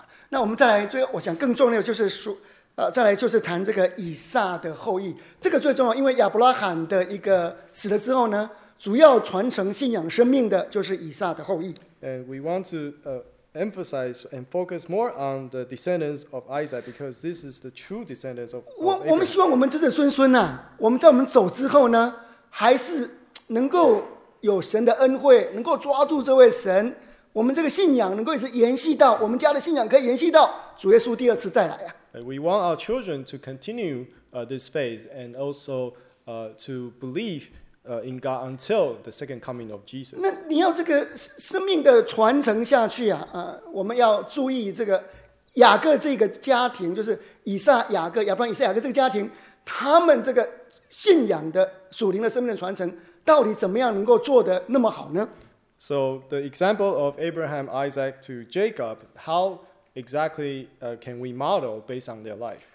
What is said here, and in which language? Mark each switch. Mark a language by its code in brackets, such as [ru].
[zh] 那我们再来，最后我想更重要的就是说。再来就是谈这个以撒的后裔，这个最重要，因为亚伯拉罕的一个死了之后呢，主要传承信仰生命的就是以撒的后裔。 [en] And we want to emphasize and focus more on the descendants of Isaac because this is the true descendants of Abraham. [zh] 我们希望我们子子孙孙啊，我们在我们走之后呢，还是能够有神的恩惠，能够抓住这位神，我们这个信仰能够一直延续到我们家的信仰，可以延续到主耶稣第二次再来啊。 [en] We want our children to continue this faith and also to believe in God until the second coming of Jesus. [zh] 那你要这个生命的传承下去啊，我们要注意这个雅各这个家庭，就是以撒、雅各、亚伯兰、以撒、雅各这个家庭，他们这个信仰的属灵的生命的传承，到底怎么样能够做得那么好呢？ [en] So the example of Abraham, Isaac to Jacob, how exactly can we model based on their life?